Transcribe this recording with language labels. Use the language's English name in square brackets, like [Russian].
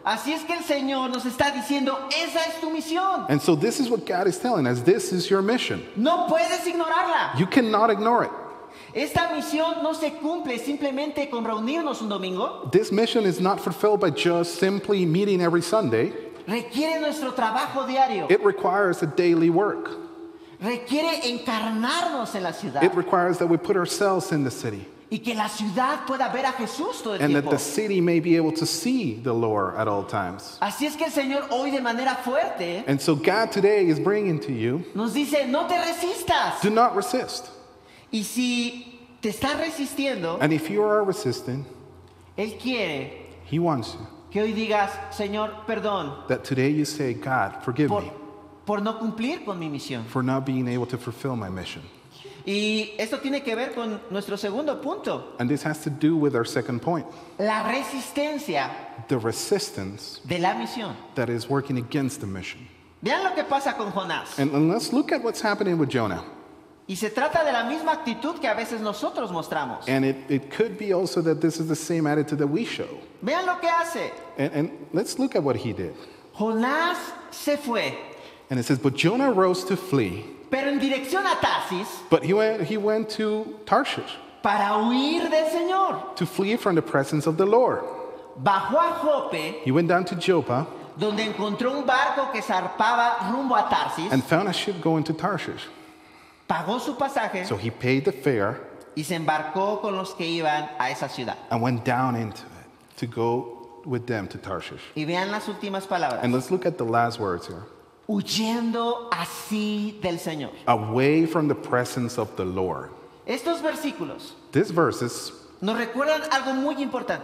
[Spanish] Así es que el Señor nos está diciendo, esa es tu misión. [English] And so this is what God is telling us, this is your mission. [Spanish] No puedes ignorarla. [English] You cannot ignore it. [Spanish] Esta misión no se cumple simplemente con reunirnos un domingo. [English] This mission is not fulfilled by just simply meeting every Sunday. [Spanish] Requiere nuestro trabajo diario. [English] It requires a daily work. [Spanish] Requiere encarnarnos en la ciudad. [English] It requires that we put ourselves in the city. [Spanish] Y que la ciudad pueda ver a Jesús todo el [English] and [Spanish] tiempo. [English] That the city may be able to see the Lord at all times. [Spanish] Así es que el Señor hoy de manera fuerte, [English] and so God today is bringing to you, [Spanish] nos dice, no te resistas. [English] Do not resist. [Spanish] Y si te estás resistiendo, [English] and if you are resisting, [Spanish] Él quiere, [English] He wants you, [Spanish] que hoy digas, Señor, perdón, [English] that today you say, God, forgive [Spanish] por, [English] me, [Spanish] por no cumplir con mi misión. [English] For not being able to fulfill my mission. [Spanish] Y esto tiene que ver con nuestro segundo punto. [English] And this has to do with our second point. [Spanish] La resistencia. [English] The resistance. [Spanish] De la misión. [English] That is working against the mission. [Spanish] Vean lo que pasa con Jonás. [English] And let's look at what's happening with Jonah. [Spanish] Y se trata de la misma actitud que a veces nosotros mostramos. [English] And it could be also that this is the same attitude that we show. [Spanish] Vean lo que hace. [English] And let's look at what he did. [Spanish] Jonás se fue. [English] And it says, but Jonah rose to flee. [Spanish] Pero en dirección a Tarsis, [English] but he went to Tarshish [Spanish] para huir del Señor, [English] to flee from the presence of the Lord. [Spanish] Bajó a Jope, [English] he went down to Joppa, [Spanish] donde encontró un barco que zarpaba rumbo a Tarsis, [English] and found a ship going to Tarshish. [Spanish] Pagó su pasaje, [English] so he paid the fare, [Spanish] y se embarcó con los que iban a esa ciudad, [English] and went down into it to go with them to Tarshish. [Spanish] Y vean las últimas palabras. [English] And let's look at the last words here. [Spanish] Huyendo así del Señor. [English] Away from the presence of the Lord. [Spanish] Estos versículos. [English] These verses. [Spanish] Nos recuerdan algo muy importante.